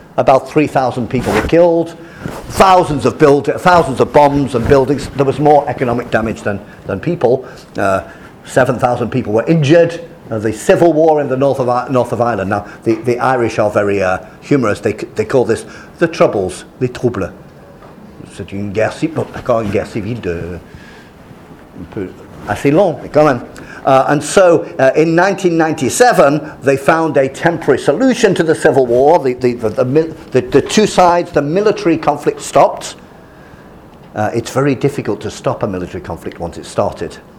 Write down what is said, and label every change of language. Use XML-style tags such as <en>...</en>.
<en>About 3,000 people were killed, thousands of bombs and buildings. There was more economic damage than people. 7,000 people were injured. The civil war in the north of Ireland. Now, the Irish are very humorous. They call this the Troubles, les Troubles.</en> <fr>C'est une guerre civile, d'accord, une guerre civile de un peu assez long, mais quand même.</fr> <en>And so, in 1997, they found a temporary solution to the civil war. The two sides, the military conflict stopped. It's very difficult to stop a military conflict once it started.</en>